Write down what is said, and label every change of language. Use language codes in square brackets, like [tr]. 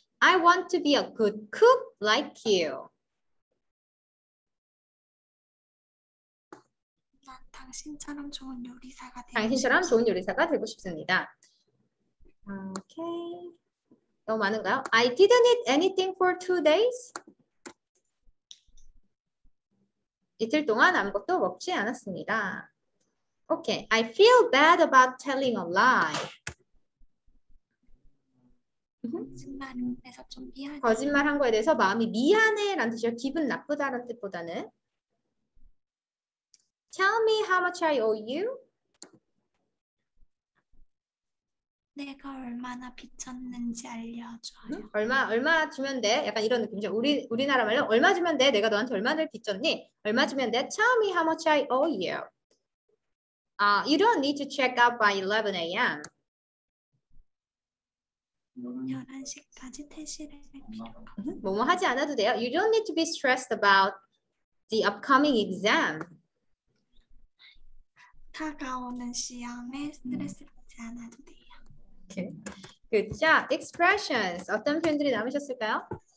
[en] I want to be a good cook like you. [ko] 난 당신처럼 좋은 요리사가 되고 당신처럼 좋은 싶어. 요리사가 되고 싶습니다. 오케이. 너무 많은가요? [en] I didn't eat anything for 2 days. [ko] 이틀 동안 아무것도 먹지 않았습니다. 오케이. [en] I feel bad about telling a lie. [ko] 거짓말에서 좀 미안해요. 거짓말한 거에 대해서 마음이 미안해라는 뜻이요. 기분 나쁘다는 뜻보다는. [en] Tell me how much I owe you. [ko] 내가 얼마나 빚졌는지 알려줘요. 얼마 주면 돼? 약간 이런 느낌이죠. 우리나라 말로 얼마 주면 돼? 내가 너한테 얼마를 빚졌니? 얼마 주면 돼? [en] Tell me how much I owe you. You don't need to check out by 11 a.m. [ko] 11시까지 퇴실을 할 필요가 뭐뭐 하지 않아도 돼요. [en] You don't need to be stressed about the upcoming exam. [ko] 다가오는 시험에 스트레스 받지 않아도 돼요. [en] Good job. Expressions. [ko] 어떤 표현들이 남으셨을까요?